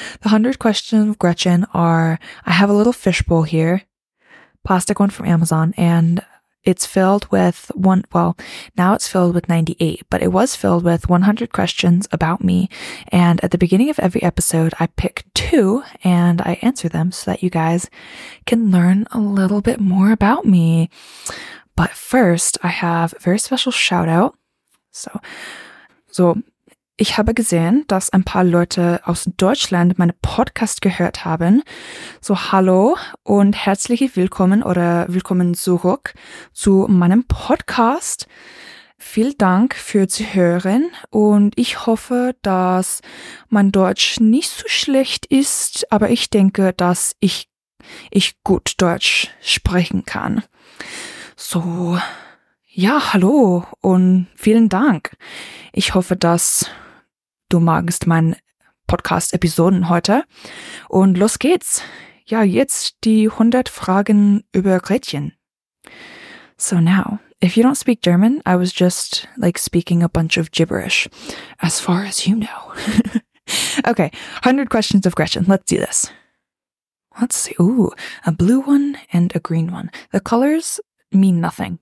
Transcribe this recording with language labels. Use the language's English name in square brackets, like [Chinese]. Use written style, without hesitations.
[English] The 100 questions of Gretchen are, I have a little fishbowl here, plastic one from Amazon, and it's filled with now it's filled with 98, but it was filled with 100 questions about me. And at the beginning of every episode, I pick 2 and I answer them so that you guys can learn a little bit more about me. But first, I have a very special shout out. [German] So, ich habe gesehen, dass ein paar Leute aus Deutschland meinen Podcast gehört haben. So, hallo und herzlich willkommen oder willkommen zurück zu meinem Podcast. Vielen Dank für zu hören und ich hoffe, dass mein Deutsch nicht so schlecht ist, aber ich denke, dass ich gut Deutsch sprechen kann. So, ja, hallo und vielen Dank. Ich hoffe, dass du magst meinen Podcast-Episoden heute. Und los geht's. Ja, jetzt die 100 Fragen über Gretchen. [English] So now, if you don't speak German, I was just like speaking a bunch of gibberish, as far as you know. Okay, 100 questions of Gretchen. Let's do this. Let's see. Ooh, a blue one and a green one. The colors mean nothing.